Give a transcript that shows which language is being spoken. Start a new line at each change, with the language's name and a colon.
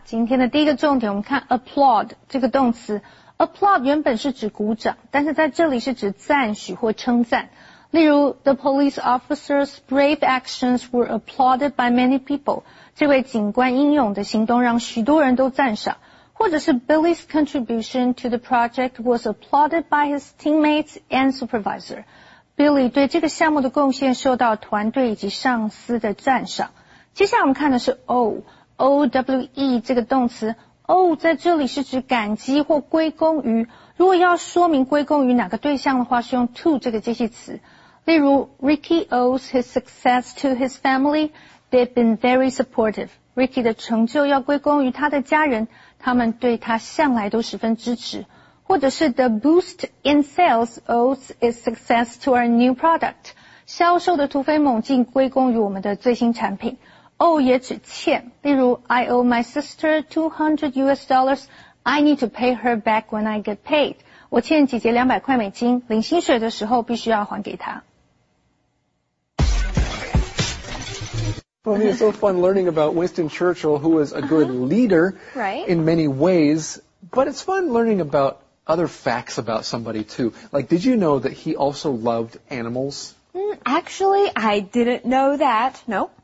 Chinese: 今天的第一个重点我们看 applaud 这个动词。Applaud 原本是指鼓掌，但是在这里是指赞许或称赞。例如
English: ,the police officer's brave actions were applauded by many people.
Chinese: 这位警官英勇的行动让许多人都赞赏。或者是
English: Billy's contribution to the project was applauded by his teammates and supervisor.
Chinese: Billy 对这个项目的贡献受到团队以及上司的赞赏。接下来我们看的是 owe 这个动词 owe 在这里是指感激或归功于如果要说明归功于哪个对象的话是用 to 这个介系词例如
English: Ricky owes his success to his family They've been very supportive
Chinese: Ricky 的成就要归功于他的家人他们对他向来都十分支持或者是
English: The boost in sales owes its success to our new product
Chinese: 销售的突飞猛进归功于我们的最新产品 Owe 也指欠例如
English: I owe my sister $200 I need to pay her back when I get paid
Chinese: 我欠姐姐200块美金领薪水的时候必须要还给她
English: Well, it's so fun learning about Winston Churchill who was a good leader in many ways but it's fun learning about other facts about somebody too like did you know that he also loved animals? Actually, I didn't know that, no